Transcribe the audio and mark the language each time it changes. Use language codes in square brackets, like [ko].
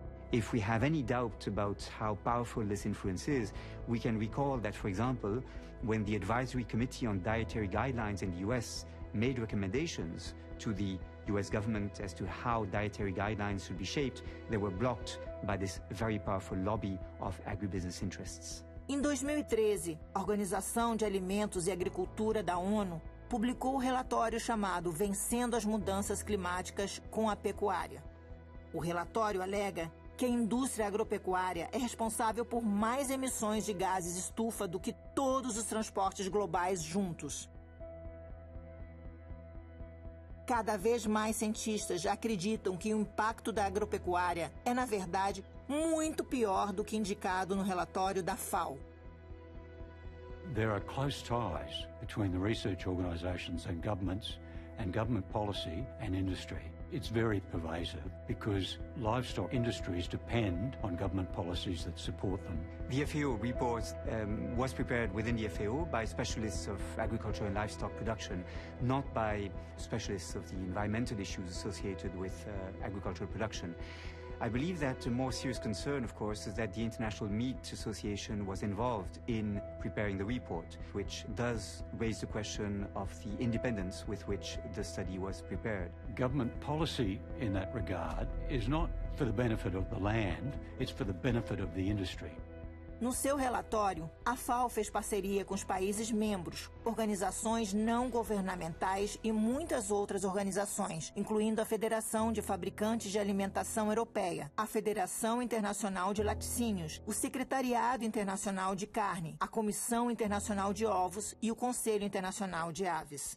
[en] If we have any doubt about how powerful this influence is, we can recall that, for example, when the Advisory Committee on Dietary Guidelines in the US made recommendations to the US government as to how dietary guidelines should be shaped, they were blocked by this very powerful lobby of agribusiness interests. [pt] Em 2013, a Organização de Alimentos e Agricultura da ONU publicou um relatório chamado Vencendo as Mudanças Climáticas com a Pecuária. O relatório alega que a indústria agropecuária é responsável por mais emissões de gases estufa do que todos os transportes globais juntos. Cada vez mais cientistas acreditam que o impacto da agropecuária é, na verdade, muito pior do que indicado no relatório da FAO. [en] There are close ties between the research organizations and governments and government policy and industry. It's very pervasive because livestock industries depend on government policies that support them. The FAO report was prepared within the FAO by specialists of agriculture and livestock production, not by specialists of the environmental issues associated with agricultural production. I believe that a more serious concern, of course, is that the International Meat Association was involved in preparing the report, which does raise the question of the independence with which the study was prepared. Government policy in that regard is not for the benefit of the land, it's for the benefit of the industry. [pt] No seu relatório, a FAO fez parceria com os países membros, organizações não governamentais e muitas outras organizações, incluindo a Federação de Fabricantes de Alimentação Europeia, a Federação Internacional de Laticínios, o Secretariado Internacional de Carne, a Comissão Internacional de Ovos e o Conselho Internacional de Aves.